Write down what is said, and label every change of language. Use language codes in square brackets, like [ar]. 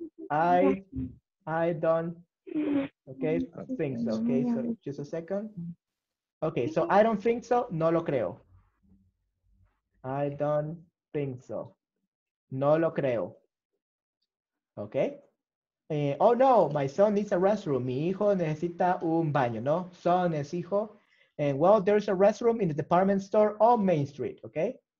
[en] I don't, okay, think so, okay, so just a second. Okay, so I don't think so, no lo creo. I don't think so, no lo creo, okay? Oh no, my son needs a restroom, mi hijo necesita un baño, no? [es] Son es hijo. [en] And well, there's a restroom in the department store on Main Street, okay?